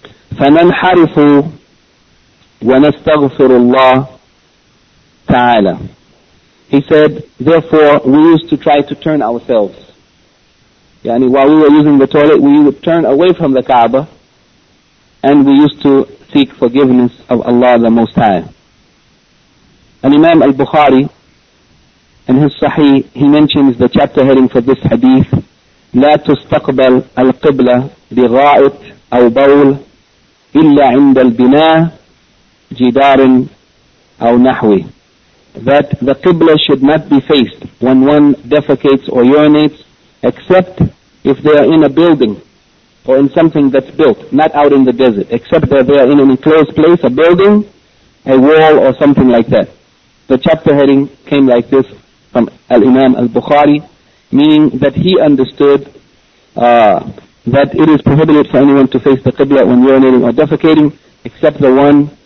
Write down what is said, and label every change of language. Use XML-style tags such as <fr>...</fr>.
<ar>فَنَنْحَرِفُ وَنَسْتَغْفِرُ اللَّهُ تَعَالَى.</ar> <en>He said, therefore, we used to try to turn ourselves. While we were using the toilet, we would turn away from the Kaaba, and we used to seek forgiveness of Allah the Most High. And Imam al-Bukhari, in his Sahih, he mentions the chapter heading for this hadith,</en> <ar>لا تستقبل القبلة بغائط أو بول إلا عند البناء جدار أو نحوي.</ar> <en>That the Qibla should not be faced when one defecates or urinates, except if they are in a building or in something that's built, not out in the desert, except that they are in an enclosed place, a building, a wall, or something like that. The chapter heading came like this from Al-Imam Al-Bukhari, meaning that he understood that it is prohibited for anyone to face the Qibla when urinating or defecating, except the one</en>